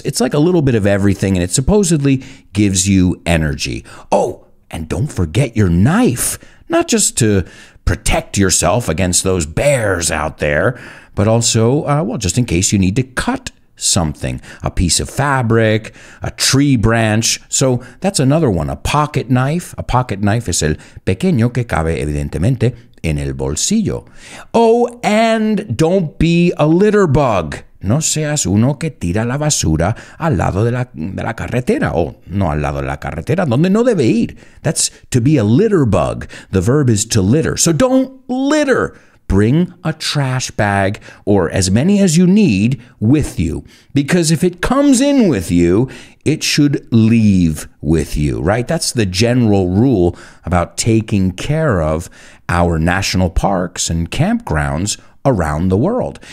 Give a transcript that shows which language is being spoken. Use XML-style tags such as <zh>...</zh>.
<en>It's like a little bit of everything, and it supposedly gives you energy. Oh, and don't forget your knife, not just to protect yourself against those bears out there, but also, just in case you need to cut something, a piece of fabric, a tree branch. So that's another one, a pocket knife. A pocket knife is</en> <es>el pequeño que cabe, evidentemente, en el bolsillo.</es> <en>Oh, and don't be a litter bug.</en> <es>No seas uno que tira la basura al lado de la carretera. Oh, no al lado de la carretera, donde no debe ir.</es> <en>That's to be a litter bug. The verb is to litter. So don't litter. Bring a trash bag or as many as you need with you. Because if it comes in with you, it should leave with you, right? That's the general rule about taking care of our national parks and campgrounds around the world.</en>